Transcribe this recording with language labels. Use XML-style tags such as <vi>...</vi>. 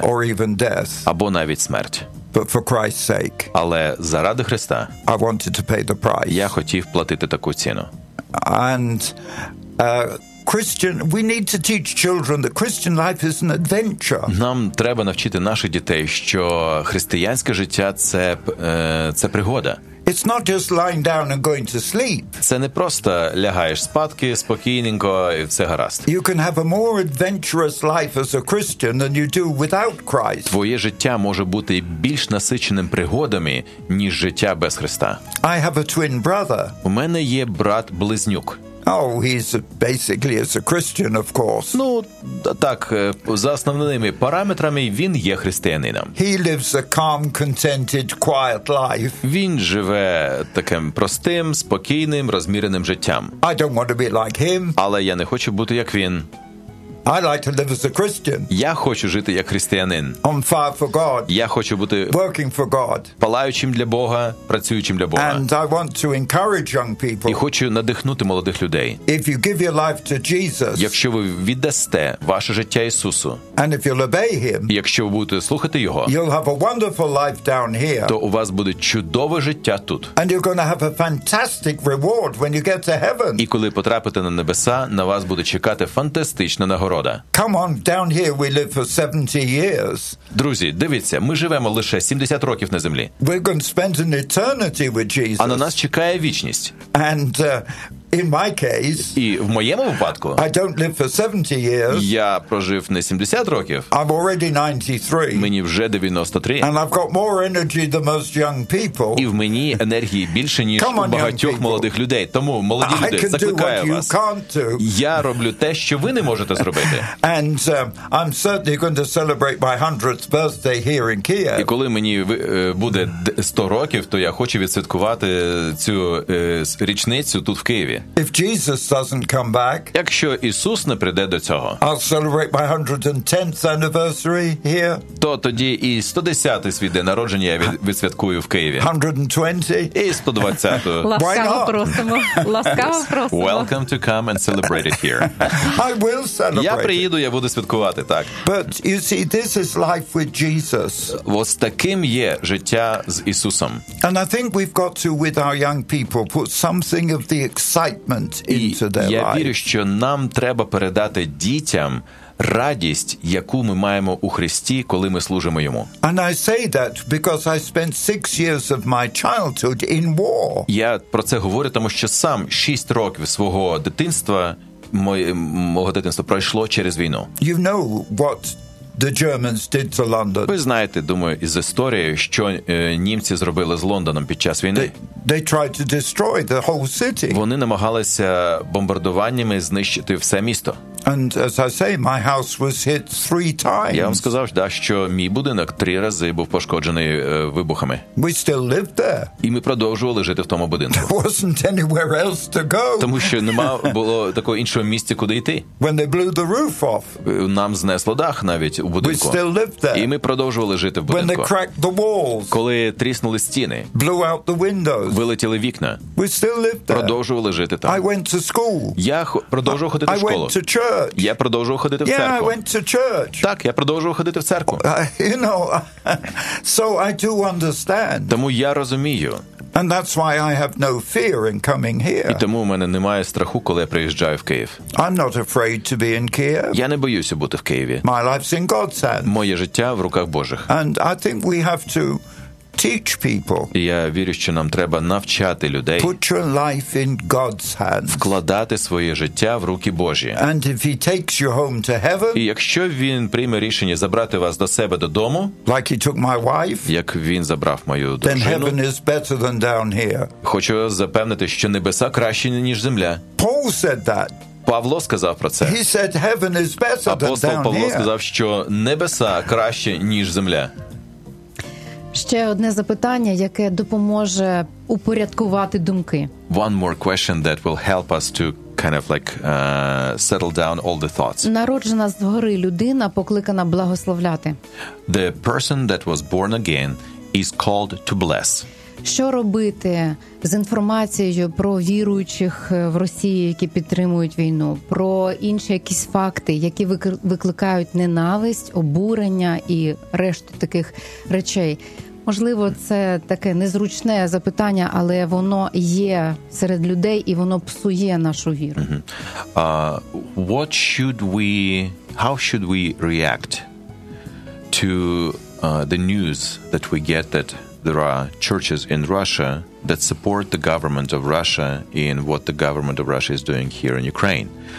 <en>Or even death.</en> <uk>Або навіть смерть.</uk> <en>But for Christ's sake.</en> <uk>Але заради Христа.</uk> <en>I wanted to pay the price.</en> <uk>Я хотів платити таку ціну.</uk> <en>And Christian, we need to teach children that Christian life is an adventure.</en> <uk>Нам треба навчити наших дітей, що християнське життя це пригода.</uk> <en>It's not just lying down and going to sleep.</en> <uk>Це не просто лягаєш спати спокійненько і все гаразд.</uk> <en>You can have a more adventurous life as a Christian than you do without Christ.</en> <uk>Твоє життя може бути більш насиченим пригодами, ніж життя без Христа.</uk> <en>I have a twin brother.</en> <uk>У мене є брат-близнюк.</uk> <en>Oh, he's basically as a Christian, of course.</en> <uk>Ну, так, за основними параметрами він є християнином.</uk> <en>He lives a calm, contented, quiet life.</en> <uk>Він живе таким простим, спокійним, розміреним життям.</uk> <en>I don't want to be like him.</en> <uk>Але я не хочу бути як він.</uk> <en>I like to live as a Christian.</en> <uk>Я хочу жити як християнин.</uk> <en>On fire for God.</en> <uk>Я хочу бути</uk> <en>working for God.</en> <uk>Палаючим для Бога, працюючим для Бога.</uk> <en>And I want to encourage young people.</en> <uk>І хочу надихнути молодих людей.</uk> <en>If you give your life to Jesus.</en> <uk>Якщо ви віддасте ваше життя Ісусу.</uk> <en>And if you'll obey him.</en> <uk>Якщо ви будете слухати його.</uk> <en>You'll have a wonderful life down here.</en> <uk>То у вас буде чудове життя тут.</uk> <en>And you're going to have a fantastic reward when you get to heaven.</en> <uk>І коли потрапите на небеса, на вас буде чекати фантастична нагорода.</uk> <en>Come on, down here we live for 70 years.</en> <uk>Друзі, дивіться, ми живемо лише 70 років на землі.</uk> <en>We're going to spend an eternity with Jesus.</en> <uk>А на нас чекає вічність.</uk> <en>And in my case,</en> <uk>і в моєму випадку,</uk> <en>I don't live for 70 years.</en> <uk>Я прожив не 70 років.</uk> <en>I'm already 93.</en> <uk>Мені вже 93.</uk> <en>And I've got more energy than most young people.</en> <uk>І в мені енергії більше, ніж у багатьох молодих людей. Тому, молоді люди, закликаю вас. Я роблю те, що ви не можете зробити.</uk> <en>And I'm certainly going to celebrate my 100th birthday here in Kiev.</en> <uk>І коли мені буде 100 років, то я хочу відсвяткувати цю річницю тут в Києві.</uk> <en>If Jesus doesn't come back,</en> <uk>якщо Ісус не прийде до цього,</uk> <en>I'll celebrate my 110th anniversary here.</en> <uk>То тоді і 110-й свій день народження я відсвяткую в Києві.</uk> <en>120.</en> <uk>І 120-ту. Ласкаво просимо. Ласкаво просимо.</uk> <en>Welcome to come and celebrate it here. I will celebrate.</en> <uk>Я приїду, я буду святкувати, так.</uk> <en>But you see, this is life with Jesus.</en> <uk>Ось таким є життя з Ісусом.</uk> <en>And I think we've got to, with our young people, put something of the excitement into their life.</en> <uk>Я вірю, що нам треба передати дітям радість, яку ми маємо у Христі, коли ми служимо йому.</uk> <en>And I say that because I spent 6 years of my childhood in war.</en> <uk>Я про це говорю, тому що сам 6 років свого дитинства, мого дитинства пройшло через війну.</uk> <en>You know what the Germans did to London.</en> <uk>Ви знаєте, думаю, із історії, що німці зробили з Лондоном під час війни.</uk> <en>They tried to destroy the whole city.</en> <uk>Вони намагалися бомбардуваннями знищити все місто.</uk> <en>And as I say, my house was hit 3 times.</en> <uk>Я вам сказав, да, що мій будинок 3 рази був пошкоджений вибухами.</uk> <en>We still lived there.</en> <uk>І ми продовжували жити в тому будинку.</uk> <en>There wasn't anywhere else to go.</en> <uk>Тому що нема було такого іншого місця, куди йти.</uk> <en>When they blew the roof off.</en> <uk>Нам знесло дах навіть у будинку.</uk> <en>We still lived there.</en> <uk>І ми продовжували жити в будинку.</uk> <en>When they cracked the walls.</en> <uk>Коли тріснули стіни.</uk> <en>Blew out the windows.</en> <uk>Вилетіли вікна.</uk> <en>We still lived there.</en> <uk>Продовжували жити там.</uk> <en>I went to school.</en> <uk>Я продовжував ходити в школу.</uk> <en>I went to church.</en> <uk>Я продовжував ходити в церкву.</uk> <en>Yeah, I went to church.</en> <uk>Так, я продовжував ходити в церкву.</uk> <en>You know, so I do understand.</en> <uk>Тому я розумію.</uk> <en>And that's why I have no fear in coming here.</en> <uk>І тому у мене немає страху, коли я приїжджаю в Київ.</uk> <en>I'm not afraid to be in Kiev.</en> <uk>Я не боюся бути в Києві.</uk> <en>My life's in God's hands.</en> <uk>Моє життя в руках Божих.</uk> <en>And I think we have to teach people.</en> <uk>Я вірю, що нам треба навчати людей.</uk> <en>Put your life in God's hands.</en> <uk>Вкладати своє життя в руки Божі.</uk> <en>And if he takes you home to heaven.</en> <uk>І якщо він прийме рішення забрати вас до себе додому.</uk> <en>Like he took my wife.</en> <uk>Як він забрав мою дружину.</uk> <en>Then heaven is better than down here.</en> <uk>Хочу запевнити, що небеса кращі, ніж земля.</uk> <en>Paul said that.</en> <uk>Павло сказав про це.</uk> <en>He said heaven is better than down here.</en> <uk>Апостол Павло сказав, що небеса кращі, ніж земля. Ще одне запитання, яке допоможе упорядкувати думки.</uk> <en>One more question that will help us to kind of like settle down all the thoughts.</en> <uk>Народжена згори людина покликана благословляти.</uk> <en>The person that was born again is called to bless.</en> <uk>Що робити з інформацією про віруючих в Росії, які підтримують війну, про інші якісь факти, які викликають ненависть, обурення і решту таких речей? Можливо, це таке незручне запитання, але воно є серед людей і воно псує нашу віру.</uk> <en>What should we, how should we react to the news that we get that there are churches in Russia that support the government of Russia in what the government of Russia is doing here in Ukraine?</en>